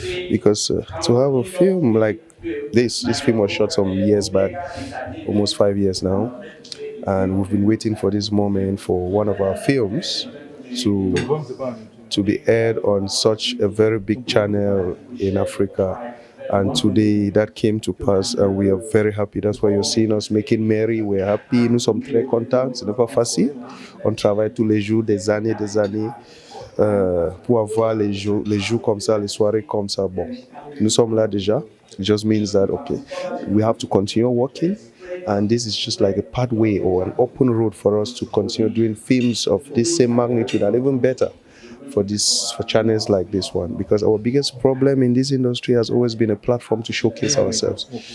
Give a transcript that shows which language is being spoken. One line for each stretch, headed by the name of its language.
English: Because to have a film like this, this film was shot some years back, almost 5 years now. And we've been waiting for this moment for one of our films to be aired on such a very big channel in Africa. And today that came to pass and we are very happy. That's why you're seeing us making merry. We're happy.
French: Nous sommes très contents. C'est pas facile. On travaille tous les jours, des années, pour avoir les jours comme ça, les soirées comme ça. Bon, nous sommes là déjà.
English: It just means that, okay, we have to continue working. And this is just like a pathway or an open road for us to continue doing films of this same magnitude and even better for this, for channels like this one. Because our biggest problem in this industry has always been a platform to showcase ourselves.